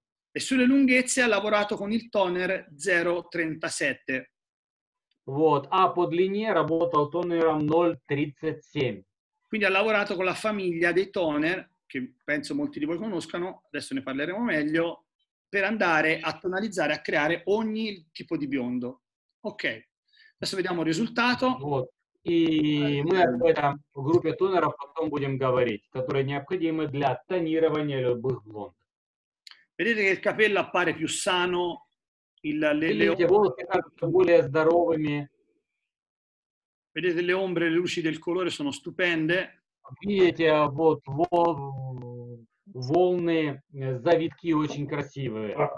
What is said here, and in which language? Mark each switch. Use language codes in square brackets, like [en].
[it] E sulle lunghezze ha lavorato con il toner 0,37. [ru] Вот. А по длине работал тонером 0,37. [it] Quindi ha lavorato con la famiglia dei toner, che penso molti di voi conoscano, adesso ne parleremo meglio, per andare a tonalizzare, a creare ogni tipo di biondo. Ok. Adesso vediamo il risultato. [ru] Вот. И мы об этом группе тонеров потом будем говорить, которые необходимы для тонирования любых блонд. [it] Vedete che il capello appare più sano, le volte [ru] более здоровыми. [it] Vedete le ombre, le luci del colore sono stupende. [ru] Видите, вот волны, завитки очень красивые.